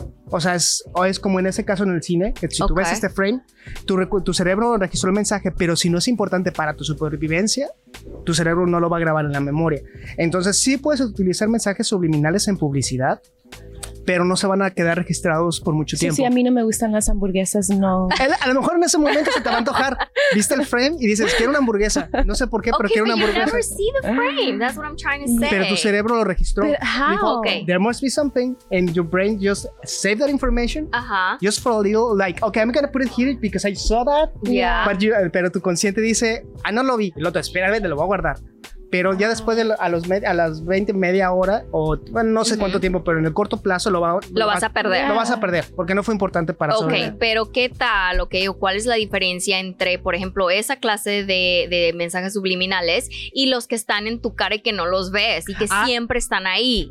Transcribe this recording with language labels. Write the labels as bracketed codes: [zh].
[es] O sea, es como en ese caso en el cine, que si tú ves este frame, tu cerebro registró el mensaje, pero si no es importante para tu supervivencia, tu cerebro no lo va a grabar en la memoria. Entonces, sí puedes utilizar mensajes subliminales en publicidad, pero no se van a quedar registrados por mucho tiempo. Sí, a mí no me gustan las hamburguesas, no. A lo mejor en ese momento se te va a antojar. Viste el frame y dices, quiero una hamburguesa. No sé por qué, pero quiero una hamburguesa. [en] Okay, but you never see the frame. That's what I'm trying to say. [es] Pero tu cerebro lo registró. [en] But how? [es] Dijo, [en] there must be something, and your brain just save that information. Uh-huh. Just for a little, like, okay, I'm going to put it here because I saw that. Yeah. [es] But pero tu consciente dice, ah, no lo vi. Lo otro, espera, te lo voy a guardar. Pero ya después de a las 20, media hora, o bueno, no sé cuánto tiempo, pero en el corto plazo lo vas a perder. Lo vas a perder, porque no fue importante para sobrevivir. Ok, pero ¿qué tal? Okay, ¿o cuál es la diferencia entre, por ejemplo, esa clase de mensajes subliminales y los que están en tu cara y que no los ves y que siempre están ahí?